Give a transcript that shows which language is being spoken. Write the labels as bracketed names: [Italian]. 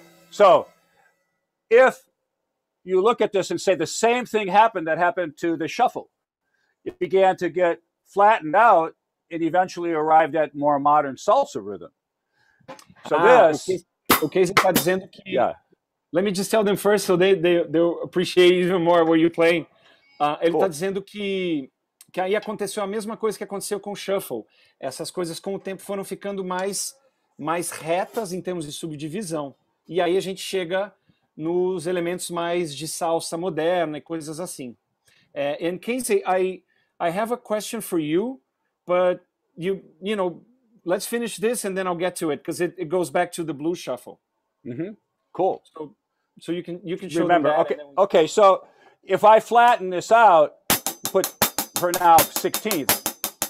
[English] So, if you look at this and say the same thing happened that happened to the shuffle, it began to get flattened out and eventually arrived at more modern salsa rhythm. So this... Okay, so you're saying that... Yeah. Let me just tell them first so they appreciate even more what you're playing. [Portuguese] Ele está dizendo que aí aconteceu a mesma coisa que aconteceu com o shuffle. Essas coisas com o tempo foram ficando mais retas em termos de subdivisão. E aí a gente chega nos elementos mais de salsa moderna e coisas assim. [English] And Casey, I have a question for you, but you know, let's finish this and then I'll get to it, because it goes back to the blue shuffle. Mm-hmm. Cool. So you can show remember. Them that. Okay. Okay, so if I flatten this out, put for now 16th.